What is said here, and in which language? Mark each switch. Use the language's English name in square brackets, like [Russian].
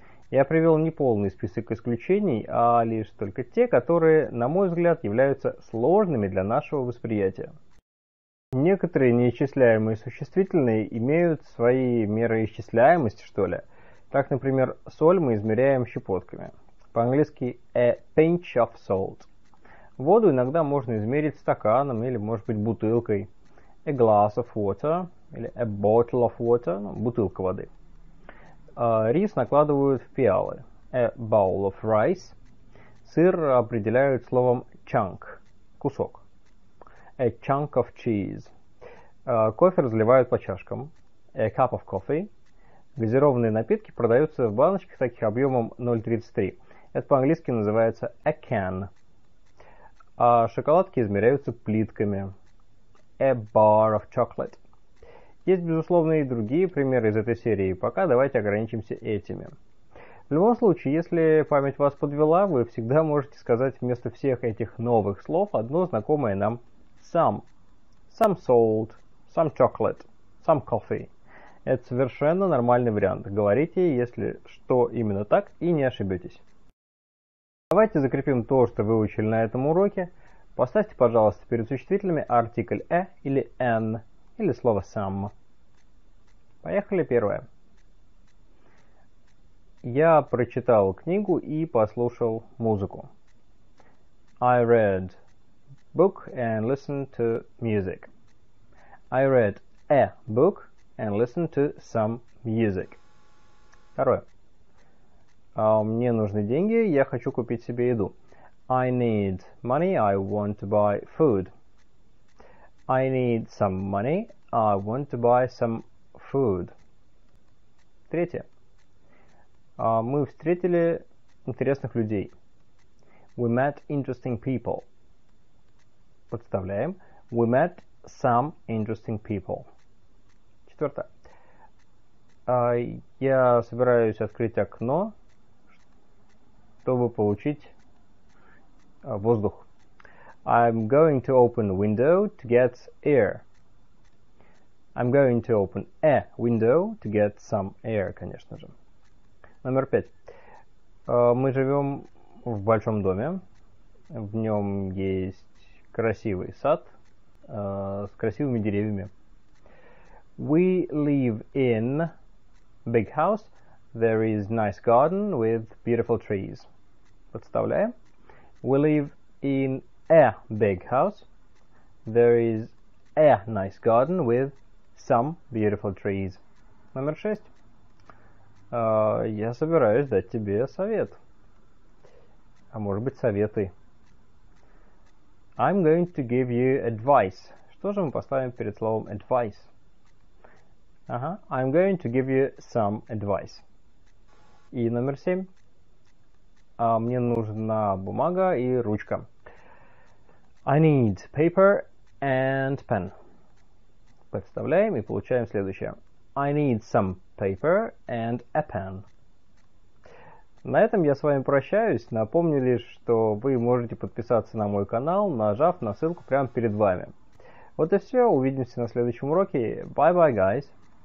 [Russian] Я привел не полный список исключений, а лишь только те, которые, на мой взгляд, являются сложными для нашего восприятия. Некоторые неисчисляемые существительные имеют свои меры исчисляемости, что ли. Так, например, соль мы измеряем щепотками. По-английски [English] a pinch of salt. [Russian] Воду иногда можно измерить стаканом или, может быть, бутылкой. [English] A glass of water [Russian] или [English] a bottle of water, [Russian] ну, бутылка воды. Рис накладывают в пиалы. [English] A bowl of rice. [Russian] Сыр определяют словом chunk, кусок. [English] A chunk of cheese. [Russian] Кофе разливают по чашкам. [English] A cup of coffee. [Russian] Газированные напитки продаются в баночках таких объемом 0,33. Это по-английски называется a can. А шоколадки измеряются плитками. [English] A bar of chocolate. [Russian] Есть, безусловно, и другие примеры из этой серии. Пока давайте ограничимся этими. В любом случае, если память вас подвела, вы всегда можете сказать вместо всех этих новых слов одно знакомое нам some. [English] Some salt, some chocolate, some coffee. [Russian] Это совершенно нормальный вариант. Говорите, если что, именно так, и не ошибетесь. Давайте закрепим то, что выучили на этом уроке. Поставьте, пожалуйста, перед существительными артикль a или an, или слово some. Поехали, первое. Я прочитал книгу и послушал музыку. [English] I read book and listened to music. I read a book and listened to some music. [Russian] Второе. Мне нужны деньги, я хочу купить себе еду. [English] I need money, I want to buy food. I need some money, I want to buy some food. [Russian] Третье. Мы встретили интересных людей. [English] We met interesting people. [Russian] Подставляем. [English] We met some interesting people. [Russian] Четвертое. Я собираюсь открыть окно, чтобы получить воздух. [English] I'm going to open a window to get air. I'm going to open a window to get some air, [Russian] конечно же. Номер пять. Мы живем в большом доме. В нем есть красивый сад с красивыми деревьями. [English] We live in a big house. There is nice garden with beautiful trees. [Russian] Подставляем. [English] We live in a big house. There is a nice garden with some beautiful trees. [Russian] Номер шесть. Я собираюсь дать тебе совет. А может быть, советы. [English] I'm going to give you advice. [Russian] Что же мы поставим перед словом advice? Ага. [English] I'm going to give you some advice. [Russian] И номер семь. Мне нужна бумага и ручка. [English] I need paper and pen. [Russian] Подставляем и получаем следующее. [English] I need some paper and a pen. [Russian] На этом я с вами прощаюсь. Напомню лишь, что вы можете подписаться на мой канал, нажав на ссылку прямо перед вами. Вот и все. Увидимся на следующем уроке. [English] Bye-bye, guys.